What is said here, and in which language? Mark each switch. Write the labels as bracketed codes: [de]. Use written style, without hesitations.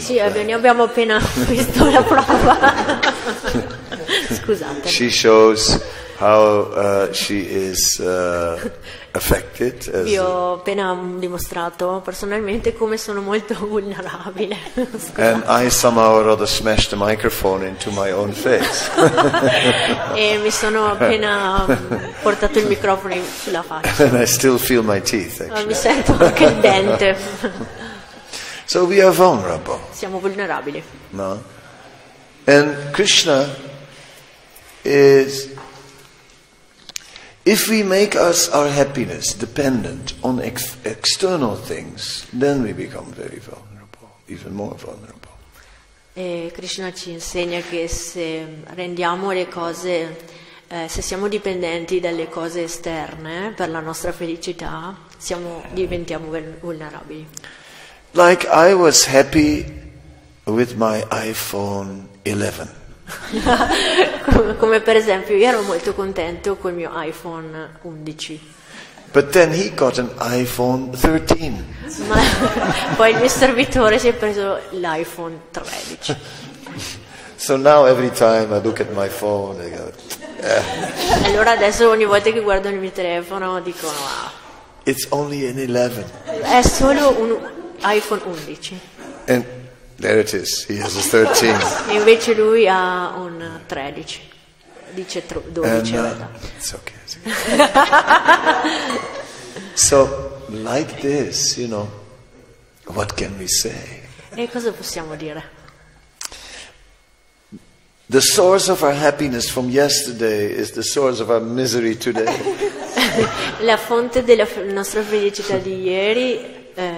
[it] Sì, noi abbiamo appena visto la prova. Scusate. [en] She shows how she is affected. [it] Vi ho appena dimostrato personalmente come sono molto vulnerabile. [en] And I somehow or other smashed the microphone into my own face. [it] E mi sono appena portato il microfono sulla faccia. [en] And I still feel my teeth, actually. [it] Mi sento anche il dente. [en] So we are vulnerable. [it] Siamo vulnerabili. [en] No. And Krishna is. If we make our happiness dependent on external things, then we become very vulnerable, even more vulnerable. [it] E Krishna ci insegna che se rendiamo le cose, se siamo dipendenti dalle cose esterne per la nostra felicità, diventiamo vulnerabili. [en] Like I was happy with my iPhone 11. [it] Come per esempio, io ero molto contento col mio iPhone 11. [en] But then he got an iPhone 13. [it] Ma poi il mio servitore si è preso l'iPhone 13. [en] So now every time I look at my phone, I go. [it] Allora adesso ogni volta che guardo il mio telefono dico wow. [en] Oh, it's only an 11. [it] È solo un iPhone 11. [en] And there it is. He has a 13. [it] Invece lui ha un 13. Dice 12. [en] It's okay. So like this, you know, what can we say? [it] E cosa possiamo dire? [en] The source of our happiness from yesterday is the source of our misery today. [it] La fonte della nostra felicità di ieri.